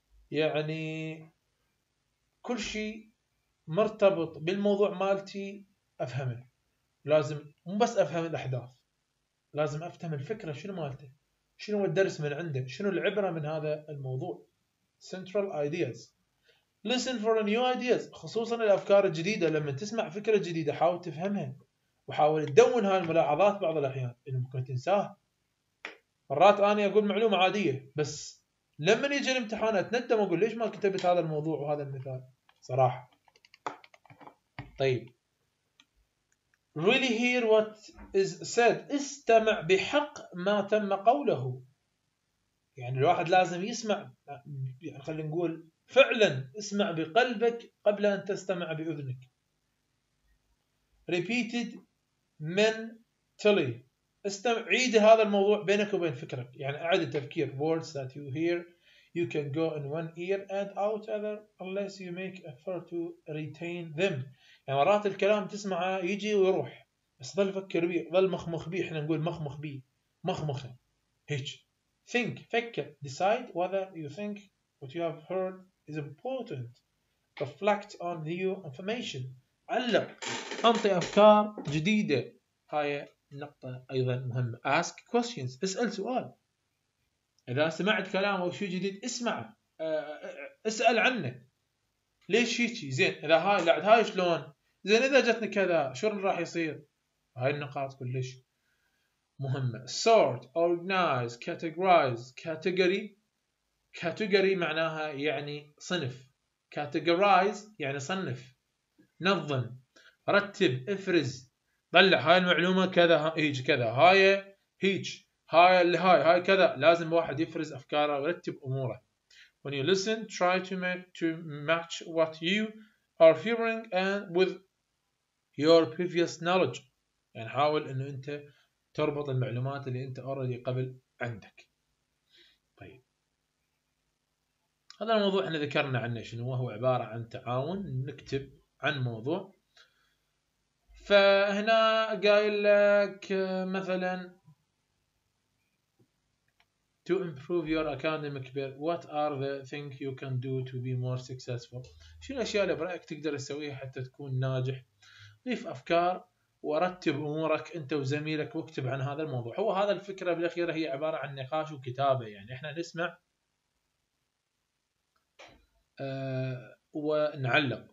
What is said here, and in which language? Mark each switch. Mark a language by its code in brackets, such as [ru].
[ar] يعني كل شيء مرتبط بالموضوع مالتي أفهمه، لازم مو بس أفهم الأحداث، لازم أفهم الفكرة شنو مالته، شنو الدرس من عنده، شنو العبرة من هذا الموضوع. [en] Central ideas. Listen for new ideas، [ar] خصوصا الأفكار الجديدة. لما تسمع فكرة جديدة حاول تفهمها وحاول تدون هاي الملاحظات بعض الأحيان اللي ممكن تنساها. مرات أنا أقول معلومة عادية بس لما يجي الامتحان أتندم أقول ليش ما كتبت هذا الموضوع وهذا المثال صراحة. طيب [en] really hear what is said، [ar] استمع بحق ما تم قوله. يعني الواحد لازم يسمع، خلينا نقول فعلا اسمع بقلبك قبل أن تستمع بأذنك. [en] repeated mentally، [ar] استمع عيد هذا الموضوع بينك وبين فكرك، يعني أعد التفكير. [en] words that you hear you can go in one ear and out other unless you make effort to retain them. [ar] يعني مرات الكلام تسمعه يجي ويروح بس ظل فكر بيه، ظل مخمخ بيه، احنا نقول مخمخ بيه، مخمخه هيك. [en] think، [ar] فكر. [en] decide whether you think what you have heard is important. reflect on new information، [ar] علق، انطي افكار جديده. هاي نقطه ايضا مهمه. [en] ask questions، [ar] اسال سؤال. اذا سمعت كلام او شيء جديد اسمعه، اسال عنه. ليش هيك؟ زين اذا هاي لعد هاي شلون؟ زين اذا جتني كذا شو راح يصير؟ هاي النقاط كلش مهمه. [en] sort، organize، categorize. [ar] category معناها يعني صنف، categorize يعني صنف، نظم، رتب، افرز، طلع هاي المعلومه كذا هيك كذا، هاي هيك، هاي اللي هاي كذا. لازم واحد يفرز افكاره ويرتب اموره. [en] when you listen try to match what you are hearing and with your previous knowledge، [ar] يعني حاول انه انت تربط المعلومات اللي انت اوريدي قبل عندك. طيب هذا الموضوع احنا ذكرنا عنه شنو هو، عباره عن تعاون نكتب عن موضوع. فهنا قايل لك مثلا [en] to improve your academic career، what are the things you can do to be more successful، [ar] شنو الاشياء اللي برايك تقدر تسويها حتى تكون ناجح. ضيف افكار ورتب امورك انت وزميلك واكتب عن هذا الموضوع. هو هذا الفكره بالاخيره هي عباره عن نقاش وكتابه، يعني احنا نسمع ونعلق.